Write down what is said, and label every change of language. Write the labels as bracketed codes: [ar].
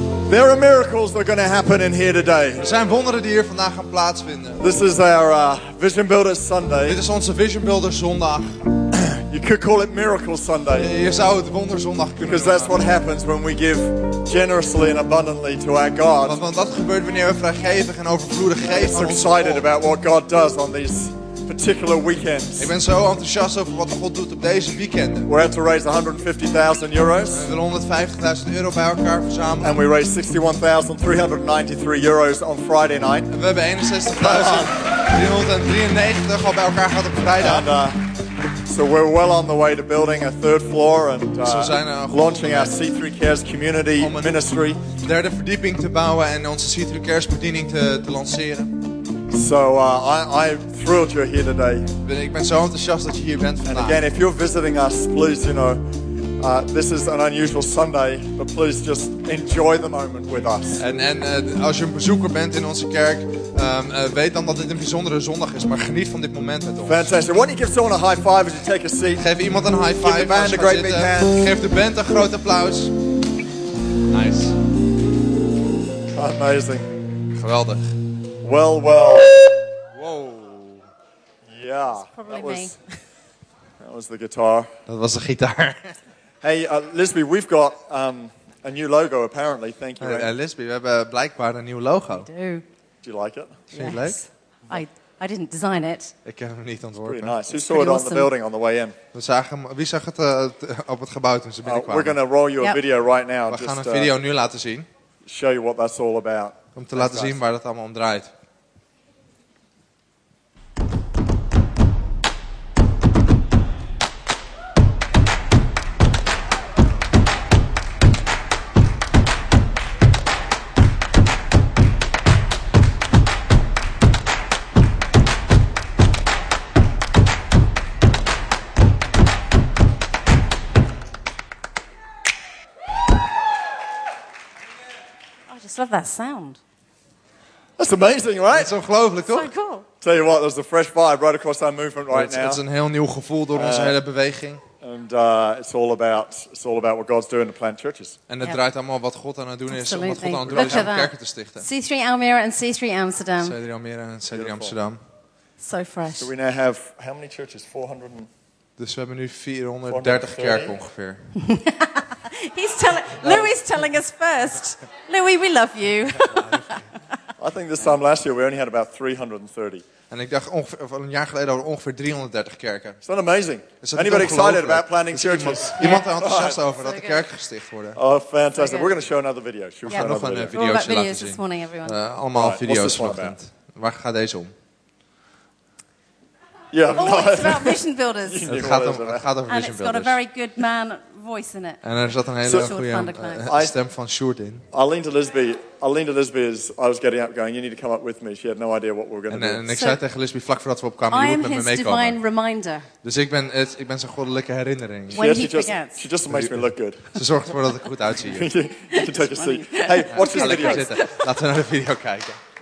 [en] There are miracles that are going to happen in here today. [nl] Er zijn wonderen die hier vandaag gaan plaatsvinden. [en] This is our Vision Builder Sunday. [nl] Dit is onze Vision Builder Zondag. [en] You could call it Miracle Sunday. [nl] Je zou het wonderzondag kunnen. [en] Because that's what happens when we give generously and abundantly to our God. [nl] Want dat gebeurt wanneer we vrijgevig en overvloedig geven. [en] I'm excited about what God does on these particular weekends. [nl] Ik ben zo enthousiast over wat God doet op deze weekenden. [en] We're out to raise 150,000 euros. [nl] We willen 150.000 euro bij elkaar verzamelen. [en] And we raised 61,393 euros on Friday night. [nl] En we hebben 61,393 al bij elkaar gehad op vrijdag. [en] And, so we're well on the way to building a third floor and launching our C3 Cares community ministry. [nl] Derde verdieping te bouwen en onze C3 Cares bediening te lanceren. [en] So I'm thrilled you're here today. [nl] Ik ben zo enthousiast dat je hier bent vandaag. [en] And again, if you're visiting us, please, you know, this is an unusual Sunday, but please just enjoy the moment with us. [nl] En als je een bezoeker bent in onze kerk, weet dan dat dit een bijzondere zondag is, maar geniet van dit moment met ons. [en] Fantastic. Why don't you give someone a high five as you take a seat? [nl] Geef iemand een high five. [en] Give the band a great big hand. [nl] Geef de band een groot applaus. [en] Nice. Amazing. [nl] Geweldig. [en] Well, well. Wow. Yeah. That was the guitar. [nl] Dat was de gitaar. [en] Hey, Lisby, we've got a new logo, apparently. Thank you. [nl] Lisby, we hebben blijkbaar een nieuw logo. [en] Do you like it? Yes. [nl] Vind je het leuk? [en] I didn't design it. [nl] Ik heb hem niet ontworpen. [en] Pretty nice. Who saw it on the building on the way in? [nl] Wie zag het op het gebouw toen ze binnenkwamen? [en] We're going to roll you a video right now. [nl] We gaan een video nu laten zien. [en] Show you what that's all about. [nl] Om te laten zien waar dat allemaal om draait. [en] I love that sound. That's amazing, right? It's [nl] ongelooflijk, toch? [en] So cool. Tell you what, there's a fresh vibe right across our movement right now. It's a [nl] heel nieuw gevoel door onze hele beweging. [en] And it's all about what God's doing to plant churches. [nl] En het draait allemaal wat God aan het doen is, [en] absolutely. [nl] Wat God aan het doen is om kerken te stichten. [en] C3 Almere and C3 Amsterdam. [nl] C3 Almere en C3 Amsterdam. [en] So fresh. So we now have how many churches? 400. [nl] Dus we hebben nu 430 kerken ongeveer. [en] Louis telling us first. Louis, we love you. I think this time last year we only had about 330. [nl] En ik dacht een jaar geleden hadden we ongeveer 330 kerken. [en] Is that amazing? Anybody excited about planting churches? [nl] Iemand enthousiast over dat de kerken gesticht worden? [en] Oh, fantastic. We're going to show another video. [nl] We gaan nog een video laten zien. [en] This morning, everyone. [nl] Allemaal video's vanochtend. Waar gaat deze om? [en] Yeah. It's about Vision Builders. [nl] Het gaat over Vision Builders. [en] And it's got a very good man voice in it. [nl] En er zat een hele goede stem van Sjoerd in. [en] Aline to Lisby is, I was getting up going, you need to come up with me. She had no idea what we were going to do. [nl] En ik zei tegen Lisby vlak voordat we opkwamen, je moet met me meekomen. [en] I am his divine reminder. [nl] Dus ik ben zijn goddelijke herinnering. [en] She just makes me look good. [nl] Ze zorgt ervoor dat ik goed uitzie. [en] You can take a seat. Hey, watch this video. [nl] Laten we naar de video kijken.